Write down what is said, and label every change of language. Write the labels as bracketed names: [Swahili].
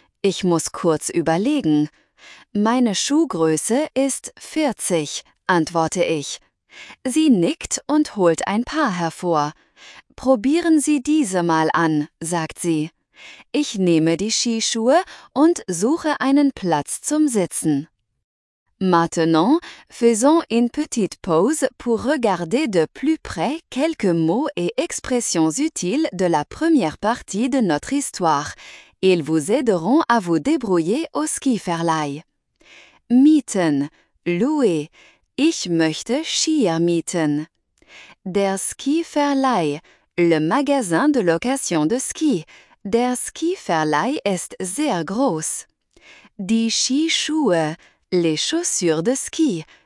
[German] Ich muss kurz überlegen. Meine Schuhgröße ist 40, antworte ich. Sie nickt und holt ein Paar hervor. Probieren Sie diese mal an, sagt sie. Ich nehme die Skischuhe und suche einen Platz zum Sitzen. [French] Maintenant, faisons une petite pause pour regarder de plus près quelques mots et expressions utiles de la première partie de notre histoire. Ils vous aideront à vous débrouiller au Skiverleih. [German] Mieten, louer. Ich möchte Skier mieten. Der Skiverleih, [French] le magasin de location de ski. [German] Der Skiverleih ist sehr groß. Die Skischuhe, [French] les chaussures de ski.